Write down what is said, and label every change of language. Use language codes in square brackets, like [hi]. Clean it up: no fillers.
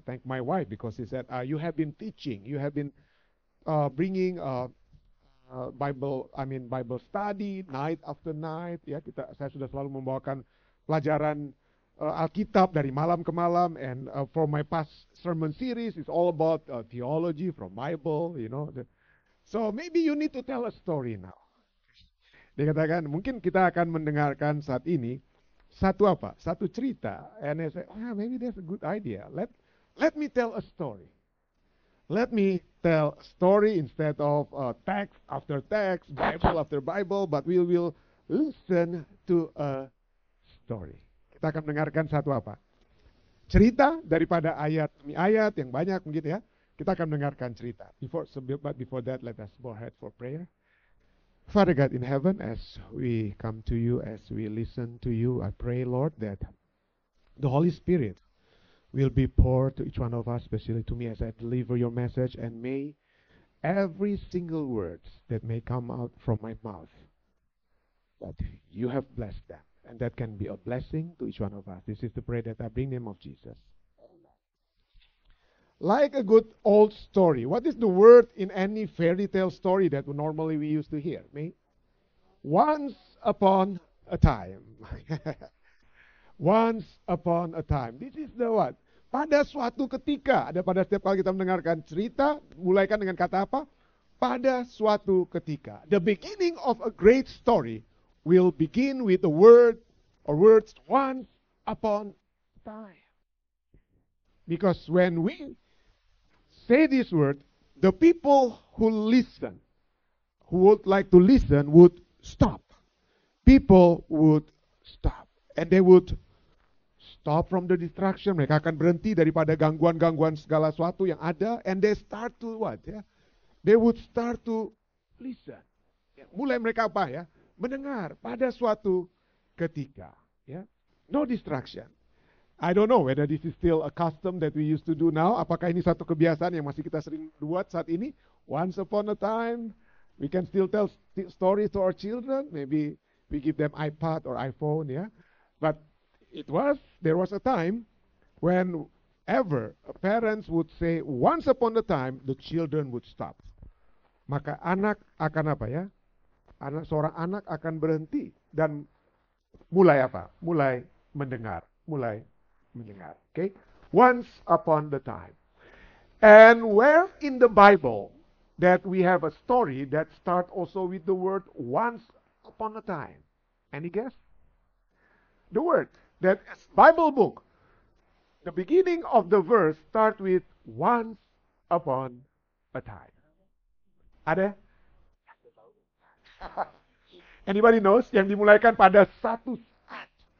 [en] Thank my wife because she said, you have been teaching, you have been bringing Bible study night after night. [id] Ya, saya sudah selalu membawakan pelajaran Alkitab dari malam ke malam, [en] and for my past sermon series, it's all about theology from Bible, you know. So maybe you need to tell a story now. [id] Dikatakan mungkin kita akan mendengarkan saat ini satu apa? Satu cerita. [en] And I say, oh, maybe that's a good idea. Let me tell a story. Let me tell a story instead of text after text, Bible after Bible, but we will listen to a story. [id] Kita akan mendengarkan satu apa? Cerita daripada ayat demi ayat yang banyak begitu ya. Kita akan mendengarkan cerita. [en] But before that, let us bow our head for prayer. Father God in heaven, as we come to you, as we listen to you, I pray, Lord, that the Holy Spirit will be poured to each one of us, especially to me as I deliver your message, and may every single word that may come out from my mouth, that you have blessed them, and that can be a blessing to each one of us. This is the prayer that I bring in the name of Jesus. Like a good old story. What is the word in any fairy tale story that normally we used to hear? Me? Once upon a time. Once upon a time. This is the what? [id] Pada suatu ketika. Ada pada setiap kali kita mendengarkan cerita, mulaikan dengan kata apa? Pada suatu ketika. [en] The beginning of a great story will begin with the word or words once upon a time. Because when we say this word, the people who listen, who would like to listen, would stop. People would stop. And they would stop from the distraction. [id] Mereka akan berhenti daripada gangguan-gangguan segala sesuatu yang ada. [en] And they start to what? Yeah? They would start to listen. [id] Yeah. Mulai mereka apa ya? Mendengar pada suatu ketika. [en] Yeah? No distraction. I don't know whether this is still a custom that we used to do now. [id] Apakah ini satu kebiasaan yang masih kita sering buat saat ini? [en] Once upon a time, we can still tell stories to our children. Maybe we give them iPad or iPhone, yeah. But there was a time when ever parents would say once upon a time, the children would stop. [id] Maka anak akan apa ya? Seorang anak akan berhenti dan mulai apa? Mulai mendengar, mulai mendengar, okay? [en] Once upon the time. And where in the Bible that we have a story that start also with the word once upon a time? Any guess? The word that Bible book, the beginning of the verse start with once upon a time. [id] Ada? [en] Anybody knows [id] yang dimulaikan pada satu saat?